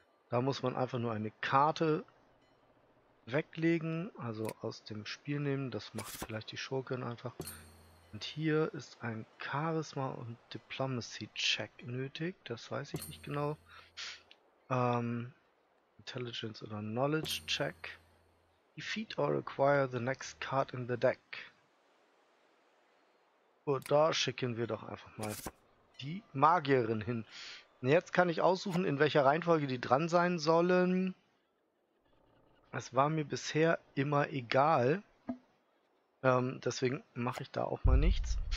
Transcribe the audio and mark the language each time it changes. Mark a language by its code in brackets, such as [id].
[de] Da muss man einfach nur eine Karte weglegen, also aus dem Spiel nehmen. Das macht vielleicht die Schurken einfach. Und hier ist ein Charisma und Diplomacy Check nötig. Das weiß ich nicht genau. Intelligence oder Knowledge Check. [en] Defeat or acquire the next card in the deck. [de] Und da schicken wir doch einfach mal die Magierin hin. Und jetzt kann ich aussuchen, in welcher Reihenfolge die dran sein sollen. Es war mir bisher immer egal. Deswegen mache ich da auch mal nichts.